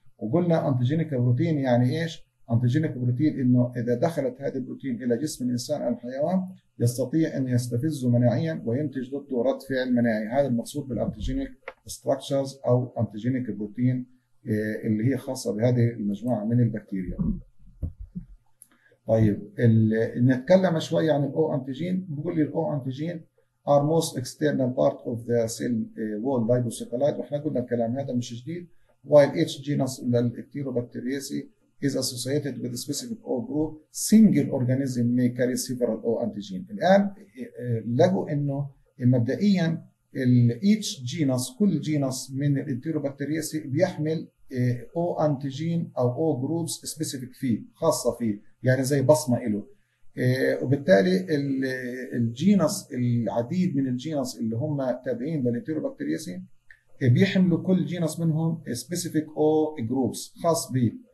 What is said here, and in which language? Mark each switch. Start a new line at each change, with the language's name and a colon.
Arabic: وقلنا انتيجينيك بروتين يعني ايش؟ انتيجينيك بروتين انه اذا دخلت هذه البروتين الى جسم الانسان او الحيوان يستطيع ان يستفزه مناعيا وينتج ضده رد فعل مناعي، هذا المقصود بالانتيجينيك ستراكشرز او انتيجينيك بروتين اللي هي خاصه بهذه المجموعه من البكتيريا. طيب نتكلم شويه عن الاو انتيجين. بقول لي الاو انتيجين
English: are most external part of the cell wall lipocytolyte،
Arabic: واحنا قلنا الكلام هذا مش جديد.
English: while each genus للانتيروبكتيريسي is associated with a specific O group single organism may carry several O antigen.
Arabic: الآن لقوا انه مبدئيا
English: each genus
Arabic: كل genus من الانتيروبكتيريسي بيحمل O antigen او O groups specific فيه، خاصة فيه، يعني زي بصمة له. وبالتالي الجينس العديد من الجينس اللي هم تابعين للانتيروبكتيريسي بيحملوا كل جينس منهم سبيسيفيك او جروبس خاص به.